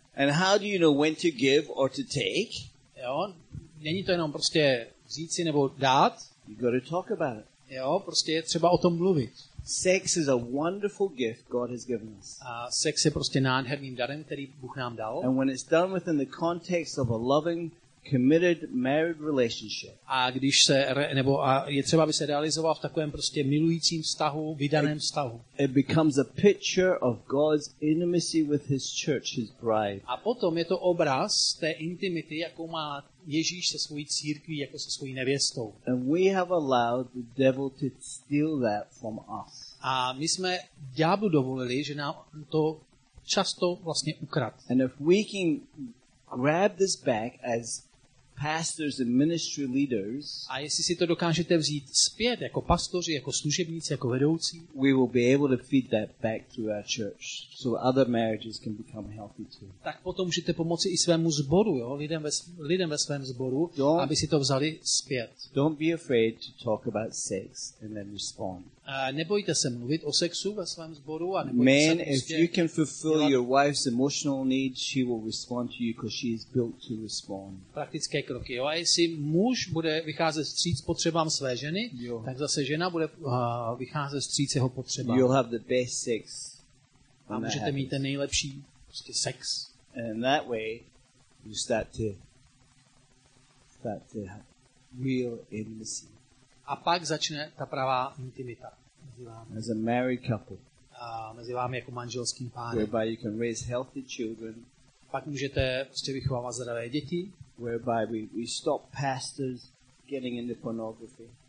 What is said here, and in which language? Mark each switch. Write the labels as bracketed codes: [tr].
[en] And how do you know when to give or to take? [cs] Jo, není to jenom prostě vzít si nebo dát. [en] You got to talk about it. [cs] Jo, prostě je třeba o tom mluvit. [en] Sex is a wonderful gift God has given us. [cs] A sex je prostě nádherným darem, který Bůh nám dal. [en] And when it's done within the context of a loving, committed, married relationship. [cs] A když se je třeba, aby se realizoval v takovém prostě milujícím vztahu, vydaném vztahu. [en] It becomes a picture of God's intimacy with His church, His bride. [cs] A potom je to obraz té intimity, jakou má Ježíš se svojí církví, jako se svojí nevěstou. [en] And we have allowed the devil to steal that from us. [cs] A my jsme ďáblu dovolili, že nám to často vlastně ukrad. [en] And if we can grab this back as pastors and ministry leaders. [cs] A jestli si to dokážete vzít zpět jako pastoři, jako služebníci, jako vedoucí, [en] we will be able to feed that back through our church so other marriages can become healthy too. [cs] Tak potom můžete pomoci i svému sboru, jo, lidem ve svém sboru, aby si to vzali zpět. [en] Don't be afraid to talk about sex and then respond. [cs] Nebojte se mluvit o sexu ve svém sboru a nebojte [en] Man, [cs] se prostě [en] if you can fulfill your wife's emotional needs, she will respond to you because she is built to respond. [cs] Praktické kroky. Jo? A jestli muž bude vycházet vstříc potřebám své ženy, tak zase žena bude vycházet vstříc jeho potřebám. [en] You'll have the best sex. [cs] A můžete mít ten nejlepší prostě sex. [en] And that way you start to have real intimacy. [cs] A pak začne ta pravá intimita mezi vámi. [en] As a married couple. [cs] A mezi vámi jako manželským párem. [en] Whereby you can raise healthy children. [cs] Pak můžete prostě vychovávat zdravé děti. [en] Whereby we stop pastors getting into pornography.